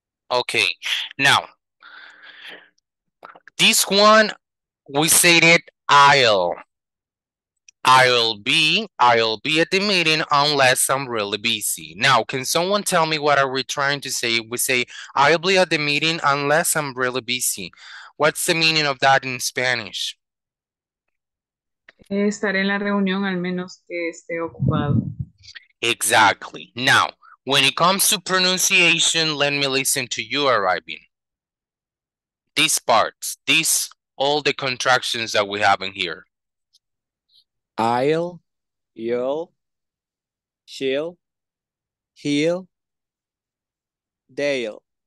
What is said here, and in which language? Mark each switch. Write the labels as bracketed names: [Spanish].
[English] Okay, now, this one, we say it, I'll be at the meeting unless I'm really busy. Now, can someone tell me what are we trying to say? We say, I'll be at the meeting unless I'm really busy. What's the meaning of that in Spanish? [Spanish] Estaré en la reunión al menos que esté ocupado. [English] Exactly. Now, when it comes to pronunciation, let me listen to you arriving. These parts, these, all the contractions that we have in here. I'll, you'll, she'll, he'll, they'll.